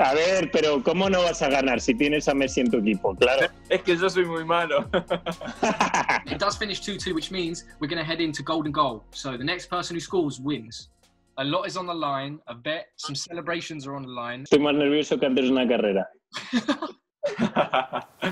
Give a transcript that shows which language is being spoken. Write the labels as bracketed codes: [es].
[es] A ver, pero ¿cómo no vas a ganar si tienes a Messi en tu equipo? Claro. Es que yo soy muy malo. [en] It does finish 2-2, which means we're going to head into golden goal. So the next person who scores wins. A lot is on the line, a bet, some celebrations are on the line. [es] Estoy más nervioso que antes de una carrera.